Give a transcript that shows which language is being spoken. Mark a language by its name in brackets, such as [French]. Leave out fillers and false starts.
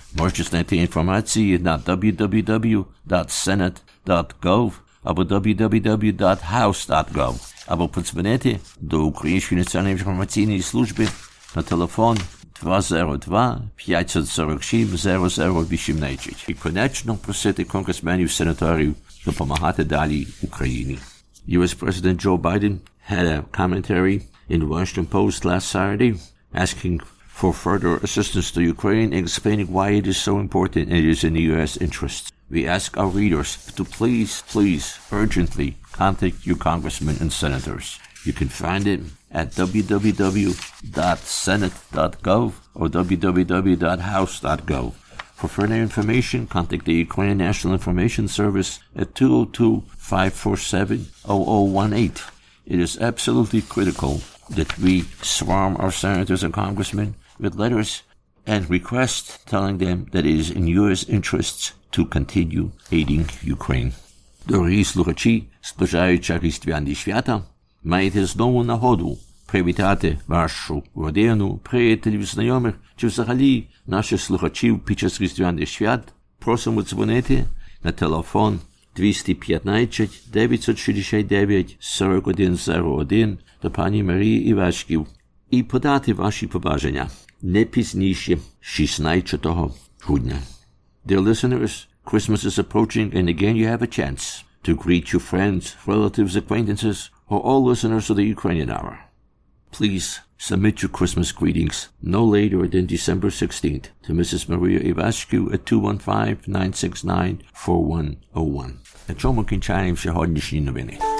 [Ukrainian] Можете знайти інформацію на www.senate.gov або www.house.gov або подзвонити до Української національної інформаційної служби на телефон 202-546-0018. І, конечно, просити конгресменів і сенаторів допомагати далі Україні. [English] U.S. President Joe Biden had a commentary in the Washington Post last Saturday asking for further assistance to Ukraine and explaining why it is so important and it is in the U.S. interest. We ask our readers to please, please, urgently contact your congressmen and senators. You can find it at www.senate.gov or www.house.gov. For further information, contact the Ukrainian National Information Service at 202-547-0018. It is absolutely critical that we swarm our senators and congressmen with letters and request telling them that it is in U.S. interests to continue aiding Ukraine. [Ukrainian] Дорогі слухачі, зближаються Різдвяні свята, маєте знову нагоду привітати вашу родину, приятелів, знайомих, чи взагалі наших слухачів під час Різдвяних свят. Просимо дзвонити на телефон 215-969-4101 до пані Марії Івашків і подати ваші побажання не пізніше 16 грудня. [English] Dear listeners, Christmas is approaching and again you have a chance to greet your friends, relatives, acquaintances, or all listeners of the Ukrainian Hour. Please submit your Christmas greetings no later than December 16th to Mrs. Maria Ivascu at 215-969-4101. [Ukrainian] На чому кінчаємо сьогоднішні новини?